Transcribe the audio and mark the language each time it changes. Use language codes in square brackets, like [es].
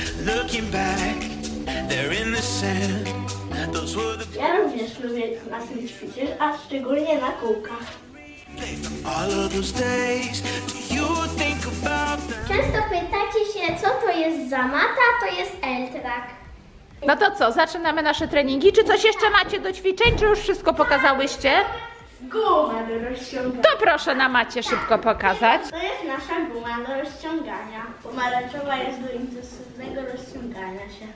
[en] Looking back, they're in the sand. Those were the... [pl] Ja również lubię na tym ćwiczyć, a szczególnie na kółkach. [en] All of those days, do you think about them? [pl] Często pytacie się, co to jest za mata, to jest L-track. No to co, zaczynamy nasze treningi? Czy coś jeszcze macie do ćwiczeń, czy już wszystko pokazałyście? Guma do rozciągania. To proszę na macie szybko pokazać. To jest nasza guma do rozciągania. Pomarańczowa jest do intensywnego rozciągania się.